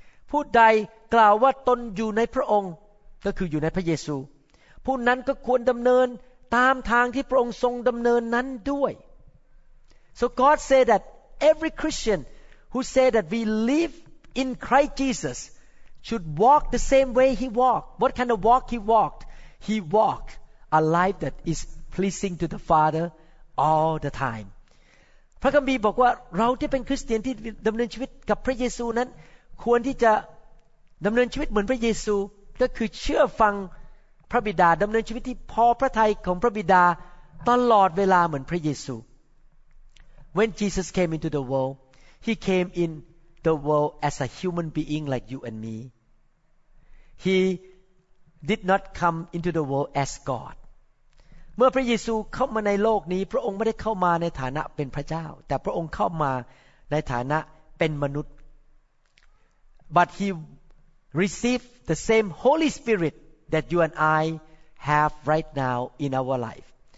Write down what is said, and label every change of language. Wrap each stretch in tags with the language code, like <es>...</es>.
<th>ผู้ใดกล่าวว่าตนอยู่ในพระองค์ก็คืออยู่ในพระเยซูผู้นั้นก็ควรดำเนินตามทางที่พระองค์ทรงดำเนินนั้นด้วย</th> <en>So God said that every Christian who say that we live in Christ Jesus should walk the same way he walked. What kind of walk he walked? He walked a life that is pleasing to the Father all the time.</en> <th>พระคัมภีร์บอกว่าเราที่เป็นคริสเตียนที่ดำเนินชีวิตกับพระเยซูนั้นควรที่จะดำเนินชีวิตเหมือนพระเยซูก็คือเชื่อฟังพระบิดาดำเนินชีวิตที่พอพระทัยของพระบิดาตลอดเวลาเหมือนพระเยซู</th> <en>When Jesus came into the world, he came in the world as a human being like you and me. He did not come into the world as God.</en> <th>เมื่อพระเยซูเข้ามาในโลกนี้พระองค์ไม่ได้เข้ามาในฐานะเป็นพระเจ้าแต่พระองค์เข้ามาในฐานะเป็นมนุษย์</th> <en>But he received the same Holy Spirit that you and I have right now in our life.</en>